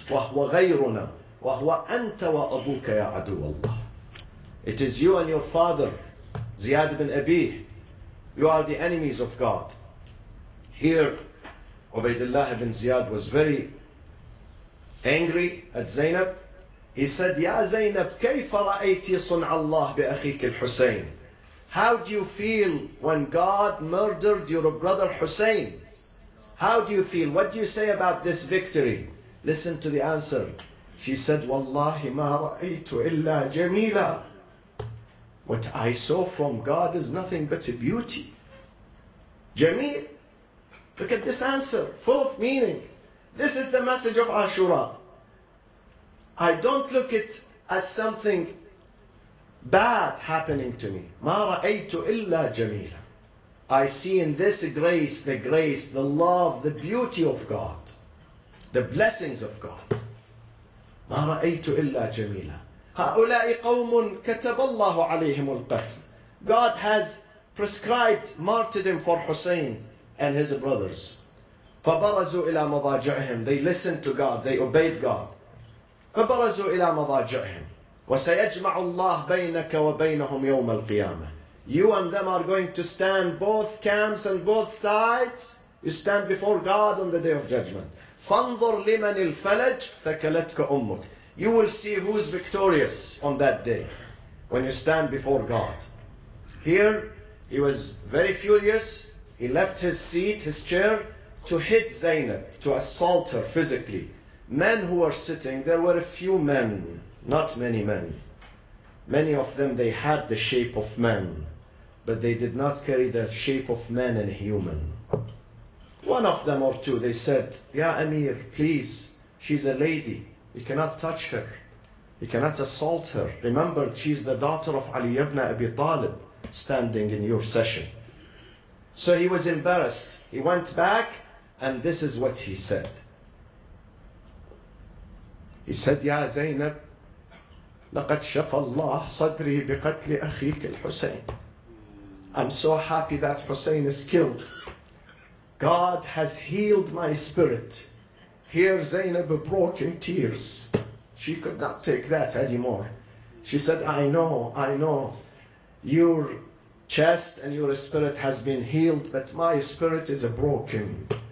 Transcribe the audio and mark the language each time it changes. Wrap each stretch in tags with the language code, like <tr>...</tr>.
<ar>وَهُوَ غَيْرُنَا وَهُوَ أَنْتَ وَأَبُوكَ يَا عَدُوَ اللَّهِ.</ar> <en>It is you and your father, Ziyad ibn Abi. You are the enemies of God. Here, Ubaydullah ibn Ziyad was very angry at Zainab. He said,</en> <ar>Ya Zainab, كيف رأيتي صنع الله بأخيك الحسين?</ar> <en>How do you feel when God murdered your brother Hussein? How do you feel? What do you say about this victory? Listen to the answer. She said,</en> <ar>Wallahi ma ra'aytu illa jameela.</ar> <en>What I saw from God is nothing but a beauty. Jameel. Look at this answer, full of meaning. This is the message of Ashura. I don't look at it as something bad happening to me.</en> <ar>Ma ra'aytu illa jameela.</ar> <en>I see in this grace, the love, the beauty of God, the blessings of God.</en> <ar>ما رأيت إلا جميلة. هؤلاء قوم كتب الله عليهم القتل.</ar> <en>God has prescribed martyrdom for Hussein and his brothers.</en> <ar>فبرزوا إلى مضاجعهم.</ar> <en>They listened to God. They obeyed God.</en> <ar>فبرزوا إلى مضاجعهم. وسيجمع الله بينك وبينهم يوم القيامة.</ar> <en>You and them are going to stand both camps and both sides. You stand before God on the day of judgment.</en> <ar>فَانْظُرْ لِمَنِ الْفَلَجِ فَكَلَتْكَ أُمُّكَ.</ar> <en>You will see who is victorious on that day when you stand before God. Here, he was very furious. He left his seat, his chair, to hit Zainab, to assault her physically. Men who were sitting, there were a few men, not many men. Many of them, they had the shape of men, but they did not carry the shape of men and human. One of them or two, they said, Ya Amir, please, she's a lady. You cannot touch her. You cannot assault her. Remember, she's the daughter of Ali ibn Abi Talib standing in your session. So he was embarrassed. He went back, and this is what he said. He said,</en> <ar>Ya Zainab, لقد شفى الله صدري بقتل أخيك الحسين.</ar> <en>I'm so happy that Hussein is killed. God has healed my spirit. Here Zainab broke in tears. She could not take that anymore. She said, I know. Your chest and your spirit has been healed, but my spirit is broken.</en>